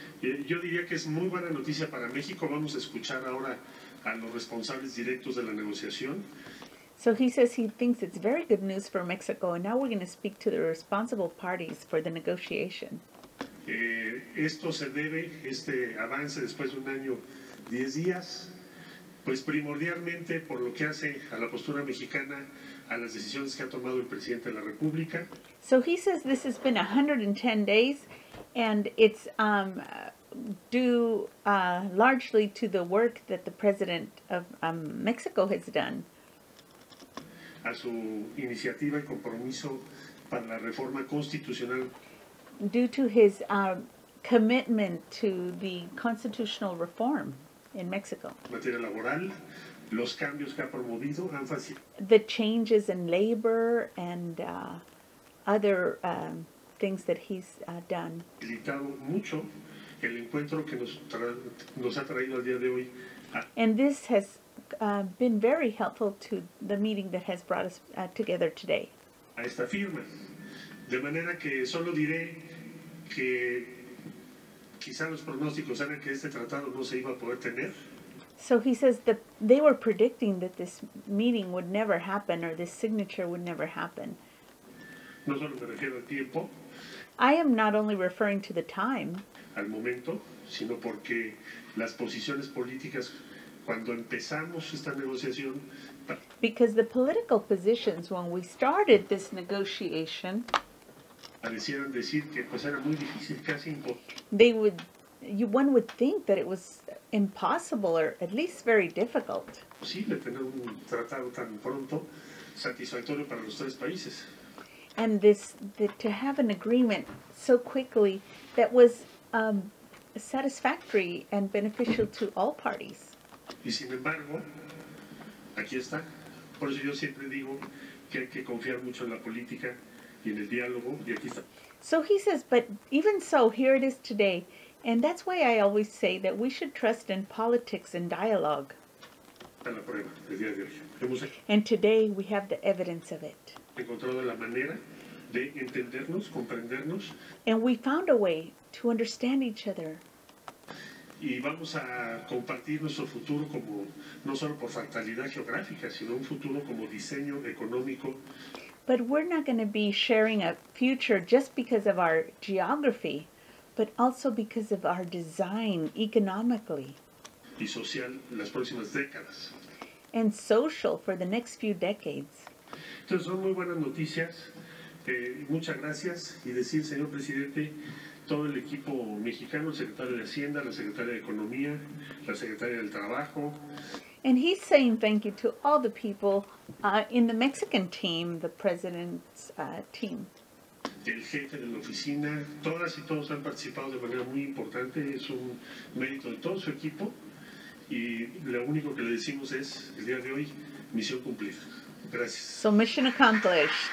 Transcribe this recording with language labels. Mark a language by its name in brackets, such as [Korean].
[Spanish] Yo diría que es muy buena noticia para México. Vamos a escuchar ahora a los responsables directos de la negociación. [English] So he says he thinks it's very good news for Mexico, and now we're going to speak to the responsible parties for the negotiation. [Spanish] Esto se debe, este avance después de un año, 10 días, pues primordialmente por lo que hace a la postura mexicana, a las decisiones que ha tomado el presidente de la República. [English] So he says this has been 110 days, and it's due largely to the work that the president of Mexico has done. [Spanish] A su iniciativa y compromiso para la reforma constitucional. [English] Due to his commitment to the constitutional reform in Mexico. [Spanish] Materia laboral, los cambios que ha promovido, énfasis. [English] The changes in labor and other things that he's done. [Spanish] Facilitado mucho el encuentro que nos ha traído al día de hoy. [English] And this has been very helpful to the meeting that has brought us together today. [Spanish] A esta firma. De manera que solo diré que quizá los pronósticos eran que este tratado no se iba a poder tener. [English] So he says that they were predicting that this meeting would never happen or this signature would never happen. [Spanish] No solo me refiero al tiempo. [English] I am not only referring to the time. [Spanish] Al momento, sino porque las posiciones políticas cuando empezamos esta negociación. [English] Because the political positions when we started this negotiation. [Spanish] Parecieron decir que pues era muy difícil, casi imposible. [English] They would, one would think that it was impossible or at least very difficult. [Spanish] Posible tener un tratado tan pronto satisfactorio para los tres países. [English] And this, to have an agreement so quickly that was satisfactory and beneficial to all parties. [Spanish] Y sin embargo, aquí está. Por eso yo siempre digo que hay que confiar mucho en la política y en el diálogo, y aquí está. [English] So he says, but even so, here it is today. And that's why I always say that we should trust in politics and dialogue. [Spanish] A la prueba, el día de hoy. Hemos hecho. [English] And today we have the evidence of it. [Spanish] Encontrado la manera de entendernos, comprendernos. [English] And we found a way to understand each other. [Spanish] Y vamos a compartir nuestro futuro como, no solo por fractalidad geográfica, sino un futuro como diseño económico. [English] But we're not going to be sharing a future just because of our geography, but also because of our design economically. [Spanish] Y social, las próximas décadas. [English] And social for the next few decades. [Spanish] Entonces son muy buenas noticias. Muchas gracias. Y decir, señor presidente, todo el equipo mexicano, el secretario de Hacienda, la secretaria de Economía, la secretaria del Trabajo. [English] And he's saying thank you to all the people in the Mexican team, the president's team. [Spanish] El jefe de la oficina, todas y todos han participado de manera muy importante, es un mérito de todo su equipo, y lo único que le decimos es, el día de hoy, misión cumplida. Gracias. [English] So, mission accomplished.